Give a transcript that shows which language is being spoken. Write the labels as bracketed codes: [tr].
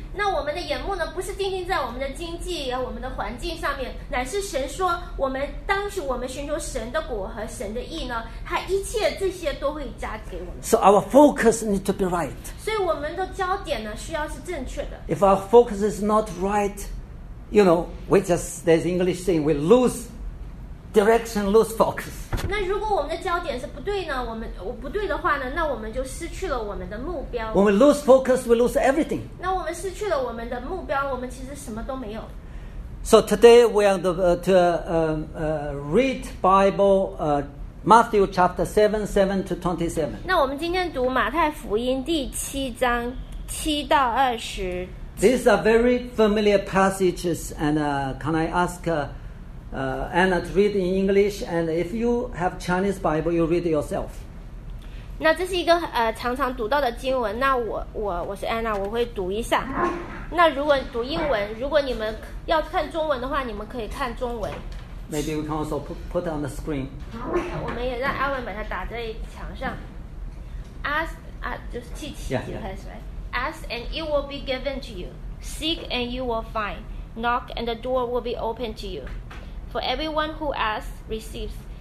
[zh] 那我们的眼目呢，不是定睛在我们的经济和我们的环境上面，乃是神说，我们当时我们寻求神的果和神的义呢，他一切这些都会加给我们。 [en] So our focus needs to be right. [zh] 所以我们的焦点呢，需要是正确的。 [en] If our focus is not right, you know, we just, there's English saying, we lose direction, lose focus. [zh] 那如果我们的焦点是不对呢，不对的话呢，那我们就失去了我们的目标。 [en] When we lose focus, we lose everything. [zh] 那我们失去了我们的目标，我们其实什么都没有。 [en] So today we are read Bible, Matthew chapter 7:7-27. [zh] 那我们今天读马太福音第七章七到二十。 [en] These are very familiar passages, and can I ask? Anna to read in English, and if you have Chinese Bible, you read yourself. [zh] 那这是一个常常读到的经文。那我是 Anna， 我会读一下。那如果读英文，如果你们要看中文的话，你们可以看中文。 [en] Maybe we can also put on the screen. [zh] 我们也让 Alan 把它打在墙上。Ask 啊，就是七七就开始来。 [en] Ask and it will be given to you. Seek and you will find. Knock and the door will be opened to you. For everyone who asks, receives.